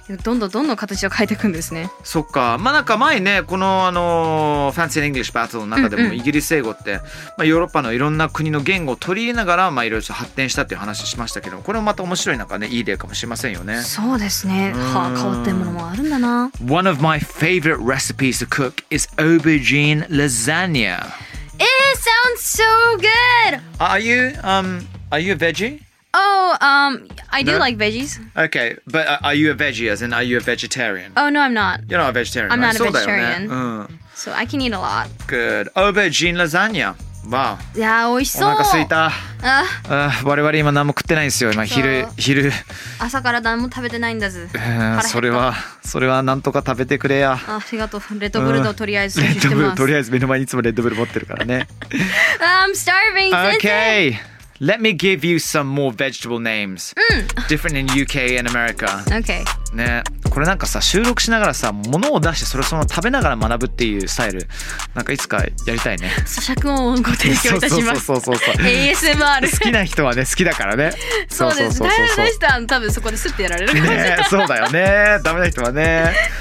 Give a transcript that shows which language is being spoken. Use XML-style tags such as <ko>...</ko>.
<ja>どんどんどんどん形を変えていくんですね。そっか、まあなんか前ね、このファンシー・イングリッシュ・バトルの中でもイギリス英語って、うんうん、まあ、ヨーロッパのいろんな国の言語を取り入れながら、まあ、いろいろ発展したっていう話しましたけど、これもまた面白い、なんかね、いい例かもしれませんよね。そうですね、はあ、変わってるものもあるんだな。</ja> <en>One of my favorite recipes to cook is aubergine lasagna. It sounds so good. Are you a veggie? I do、no? like veggies. Okay, but are you a veggie, as in are you a vegetarian? Oh, no, I'm not. You're not a vegetarian. I'm、 right? not a vegetarian.、So I can eat a lot. Good. Aubergine lasagna. Wow.</en> <ja>Yeah, おいしそう。お腹すいた。我々今何も食ってないんですよ。今昼。朝から何も食べてないんだぜ。それは何とか食べてくれや。ありがとう。レッドブルととりあえず。レッドブル、とりあえず目の前にいつもレッドブル持ってるからね。</ja> <en>I'm starving, isn't it? Okay. Let me give you some more vegetable names、うん、 different in UK and America. Okay.</en> <ja>ね、これなんかさ、収録しながらさ、物を出してそれそのまま食べながら学ぶっていうスタイル、なんかいつかやりたいね。咀嚼音をご提供いたします。そう ASMR。好きな人はね、好きだからね。そうです。ダメな人は多分そこでスッてやられるかもしれない。ね、そうだよね。ダメな人はね。</ja>